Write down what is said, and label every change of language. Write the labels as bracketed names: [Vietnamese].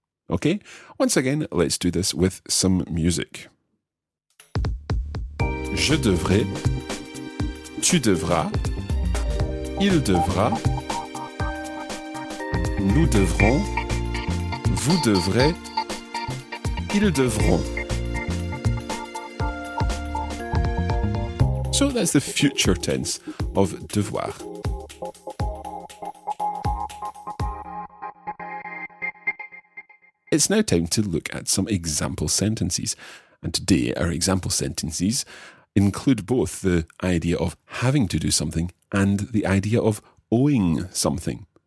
[English] Okay, once again, let's do this with some music. [French] Je devrais, tu devras, il devra, nous devrons, vous devrez, ils devront. [English] So that's the future tense of devoir. It's now time to look at some example sentences. And today, our example sentences include both the idea of having to do something and the idea of owing something.